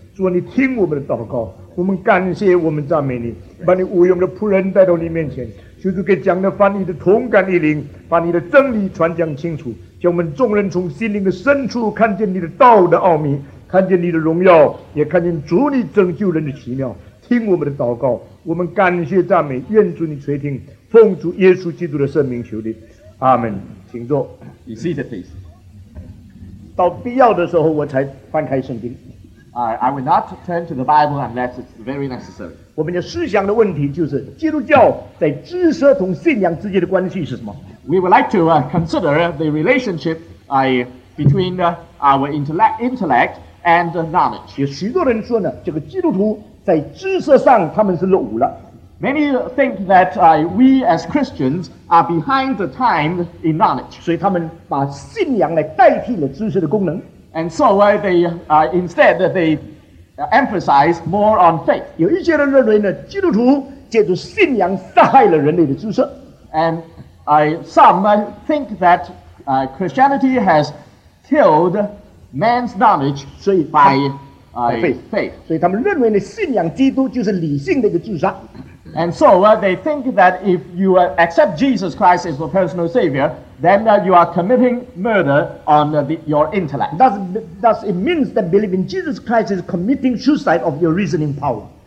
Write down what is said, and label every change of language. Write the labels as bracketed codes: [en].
[zh] 主啊，你听我们的祷告，我们感谢，我们赞美你，把你无用的仆人带到你面前，求主给讲的翻译的同感一灵，把你的真理传讲清楚，叫我们众人从心灵的深处看见你的道的奥秘，看见你的荣耀，也看见主你拯救人的奇妙。听我们的祷告，我们感谢赞美，愿主你垂听，奉主耶稣基督的圣名求你，阿们。请坐。 [en] You see the face. [zh] 到必要的时候我才翻开圣经。 [en] I will not turn to the Bible unless it's very necessary. [zh] 我们的思想的问题就是基督教在知识同信仰之间的关系是什么。 [en] We would like to consider the relationship between our intellect and knowledge. [zh] 有许多人说呢，这个基督徒在知识上他们是落伍了。 [en] Many think that we as Christians are behind the times in knowledge. [zh] 所以他们把信仰来代替了知识的功能。 [en] And so they emphasize more on faith. [zh] 有一些人认为呢，基督徒借助信仰杀害了人类的知识。 [en] And some think that Christianity has killed man's knowledge by faith. [zh] 所以他们认为呢，信仰基督就是理性的一个自杀。 [en] And so they think that if you accept Jesus Christ as your personal savior, then you are committing murder on your intellect. Thus it means that believing Jesus Christ is committing suicide of your reasoning power.